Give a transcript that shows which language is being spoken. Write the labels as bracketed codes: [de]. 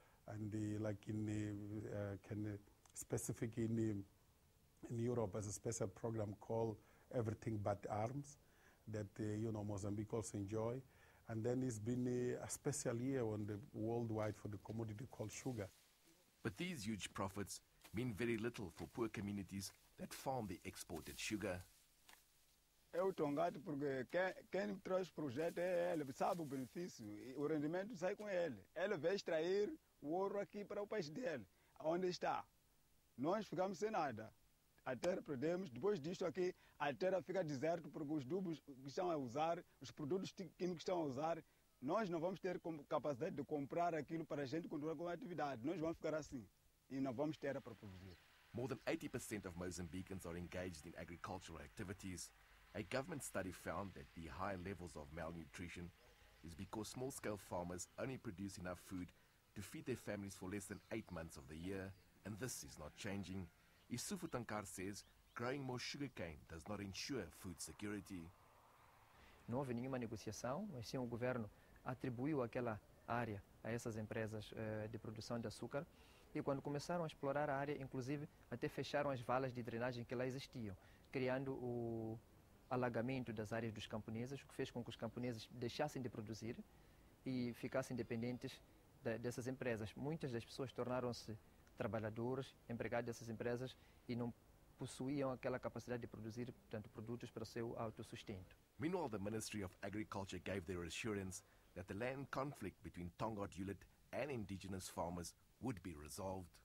[en] And in Europe as a special program called Everything But Arms that Mozambique also enjoy. And then it's been a special year on the worldwide for the commodity called sugar. But these huge profits mean very little for poor communities that farm the exported sugar. [pt] Eu estou grato porque quem trouxe o projeto é ele, sabe o benefício, o rendimento sai com ele. Ele vai extrair o ouro aqui para o país dele, onde está. Nós ficamos sem nada. A terra perdemos, depois disto aqui, a terra fica deserta porque os adubos que estão a usar, os produtos químicos que estão a usar, nós não vamos ter capacidade de comprar aquilo para a gente continuar com a atividade. Nós vamos ficar assim e não vamos ter para produzir. [en] More than 80% of Mozambicans are engaged in agricultural activities. A government study found that the high levels of malnutrition is because small-scale farmers only produce enough food to feed their families for less than 8 months of the year, and this is not changing. Isufu Tankar says growing more sugarcane does not ensure food security. [pt] Não houve nenhuma negociação, mas sim o governo atribuiu aquela área a essas empresas de produção de açúcar. E quando começaram a explorar a área, inclusive, até fecharam as valas de drenagem que lá existiam, criando o alagamento das áreas dos camponeses, o que fez com que os camponeses deixassem de produzir e ficassem dependentes dessas empresas. Muitas das pessoas tornaram-se trabalhadores, empregados dessas empresas e não possuíam aquela capacidade de produzir, portanto, produtos para o seu autossustento. [en] Meanwhile, the Ministry of Agriculture gave their assurance that the land conflict between Tongod Ulet and indigenous farmers would be resolved.